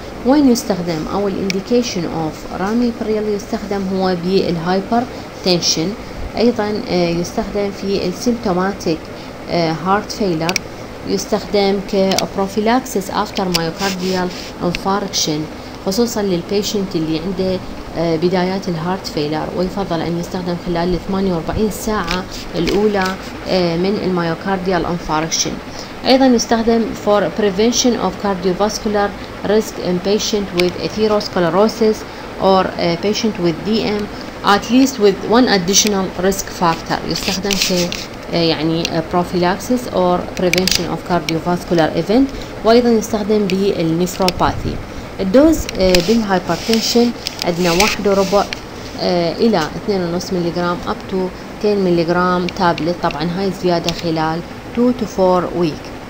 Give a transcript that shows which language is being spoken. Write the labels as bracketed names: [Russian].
[Arabic] وين يستخدم؟ او الانديكيشن اوف رامبريل يستخدم هو بالهايبر تنشن، ايضا يستخدم في السيمتوماتيك هارت فيلر، يستخدم كبروفيلاكسس افتر مايوكارديال انفاركشن، خصوصا للبيشنت اللي عنده بدايات الهارت فيلر، ويفضل ان يستخدم خلال 48 ساعة الاولى من المايوكارديال انفاركشن. ايضا يستخدم [English] for prevention of cardiovascular risk in patient with atherosclerosis or patient with DM at least with one additional risk factor. [Arabic] يستخدم في يعني [English] prophylaxis or prevention of cardiovascular event، [Arabic] وايضا يستخدم بالنيفروباثي. الدوز بالهايبرتنشن عندنا 1.25 الى 2.5 ملي جرام [English] up to [Arabic] 10 ملي جرام تابلت، طبعا هاي زيادة خلال [English] 2 to 4 week.